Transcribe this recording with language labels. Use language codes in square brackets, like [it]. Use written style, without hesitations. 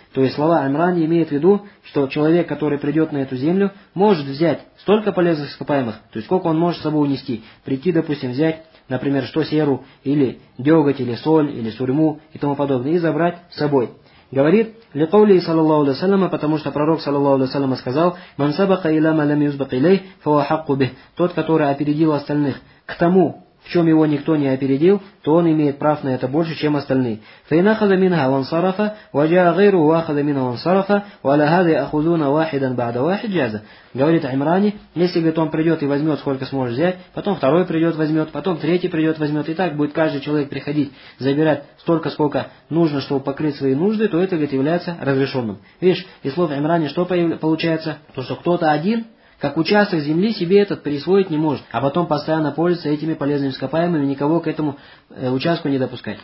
[ru] То есть слова Имрани имеют в виду, что человек, который придет на эту землю, может взять столько полезных ископаемых, то есть сколько он может с собой унести, прийти, допустим, взять, например, что серу, или деготь, или соль, или сурьму и тому подобное, и забрать с собой. Говорит, [ar] لقوله صلى الله عليه وسلم, [ru] потому что пророк [ar] صلى الله عليه وسلم [ru] сказал, [ar] من سبق إلى ما لم يسبق إليه فهو حق به, [ru] тот, который опередил остальных к тому, в чем его никто не опередил, то он имеет прав на это больше, чем остальные. [ar] فإن أخذ منها وانصرف وجاء غيره وأخذ منها وانصرف وعلى هذا يأخذون واحدا بعد واحد جاز. [ru] Говорит Имрани, если, говорит, он придет и возьмет, сколько сможет взять, потом второй придет, возьмет, потом третий придет, возьмет, и так будет каждый человек приходить, забирать столько, сколько нужно, чтобы покрыть свои нужды, то это, говорит, является разрешенным. Видишь, из слов Имрани что получается? То, что кто-то один, как участок земли, себе этот присвоить не может, а потом постоянно пользуется этими полезными ископаемыми, никого к этому участку не допускать.